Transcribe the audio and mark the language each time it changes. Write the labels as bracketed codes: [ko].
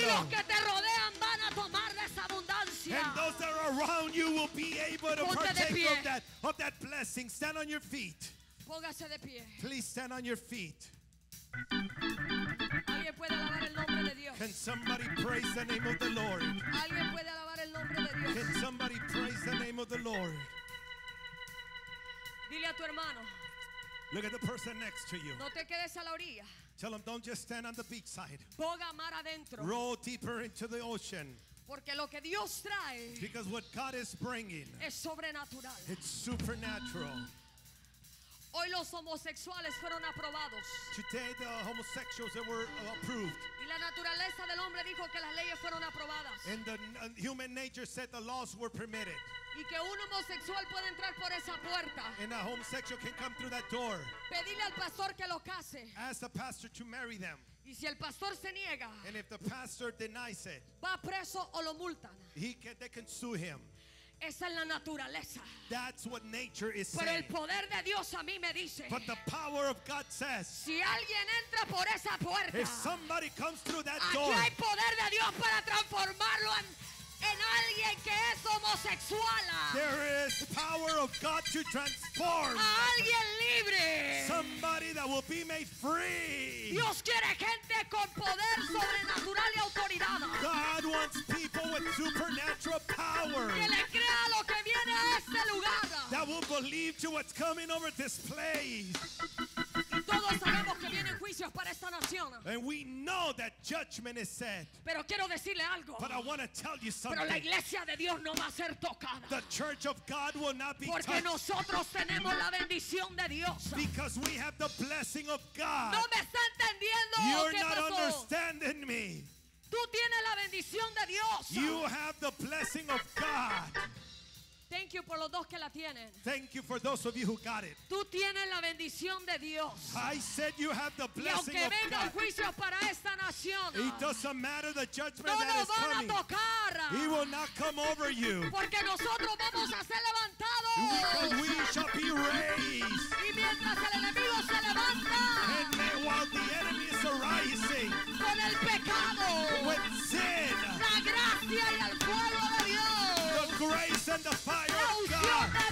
[es] Y los que te rodean van a tomar de esa abundancia. [en] And those that are around you will be able to partake of that blessing. Stand on your feet. [es] Póngase de pie. [en] Please stand on your feet. [es] Alguien puede alabar el nombre de Dios. [en] Can somebody praise the name of the Lord? [es] Alguien puede alabar el nombre de Dios. [en] Can somebody praise the name of the Lord? [es] Dile a tu hermano. [en] Look at the person next to you. [es] No te quedes a la orilla. [en] Tell them, don't just stand on the beachside. [es] Boga mar adentro. [en] Row deeper into the ocean. [es] Porque lo que Dios trae, [en] because what God is bringing, [es] es sobrenatural. [en] It's supernatural. [es] Hoy los homosexuales fueron aprobados. [en] Today the homosexuals that were approved. [es] Y la naturaleza del hombre dijo que las leyes fueron aprobadas. [en] And the human nature said the laws were permitted. [es] Y que un homosexual puede entrar por esa puerta. [en] And a homosexual can come through that door. [es] Pedile al pastor que lo case. [en] Ask the pastor to marry them. [es] Y si el pastor se niega, [en] and if the pastor denies it, [es] va preso o lo multan. [en] They can sue him. [es] Esa es la naturaleza. [en] That's what nature is saying. [es] Pero el poder de Dios a mí me dice, [en] but the power of God says, [es] si alguien entra por esa puerta, [en] if somebody comes through that [es] aquí [en] door, [es] hay poder de Dios para transformarlo en alguien que es homosexual. [en] There is power of God to transform [es] a alguien libre. [en] Somebody that will be made free. [es] Dios quiere gente con poder sobrenatural y autoridad. [en] God wants people with supernatural power. [es] Que le crea lo que viene a este lugar. [en] That will believe to what's coming over this place. [es] Todos sabemos que vienen juicios para esta nación. [en] And we know that judgment is set. [es] Pero quiero decirle algo. [en] But I want to tell you something. [es] Pero la iglesia de Dios no va a ser tocada. [en] The church of God will not be [es] porque [en] touched. [es] Nosotros tenemos la bendición de Dios. [en] Because we have the blessing of God. [es] No me está entendiendo. [en] You're [es] ¿qué [en] not [es] pasó? [en] Understanding me. [es] Tú tienes la bendición de Dios. [en] You have the blessing of God. Thank you for [es] los dos que la tienen. [en] Thank you for those of you who got it. [es] Tú tienes la bendición de Dios. [en] I said you have the blessing [es] y aunque venga [en] of God. [es] El juicio para esta nación, [en] it doesn't matter the judgment [es] no [en] that is coming. [es] No nos van a tocar. [en] He will not come over you. [es] Porque nosotros vamos a ser levantados. [en] We shall be raised. [es] Y mientras el enemigo se levanta, [en] and while the enemy is arising, [es] con el pecado, [en] with sin, [es] la gracia y el fuego de Dios, [en] the grace and the fire of God.